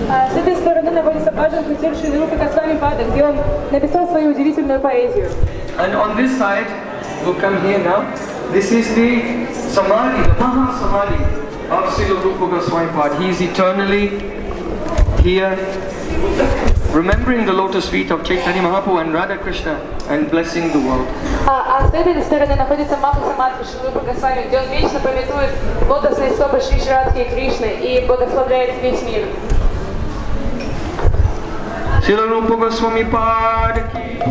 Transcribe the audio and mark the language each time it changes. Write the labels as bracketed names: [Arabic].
[Russian] С этой стороны находится бхаджан кутир Шри Рупа Госвами Пада, где он написал свою удивительную поэзию. [English] And on this side, we'll come here now. This is the Samadhi, the Maha Samadhi of Srila Rupa Goswami Pada. He is eternally here, remembering the lotus feet of Chaitanya Mahaprabhu and Radha Krishna and blessing the world. [Russian] А с этой стороны находится Маха Самадхи Шри Рупа Госвами, где он вечно памятует лотосные стопы Шри Радхи и Кришны и благословляет весь мир. [Hindi] Srila Rupa Goswami Pad ki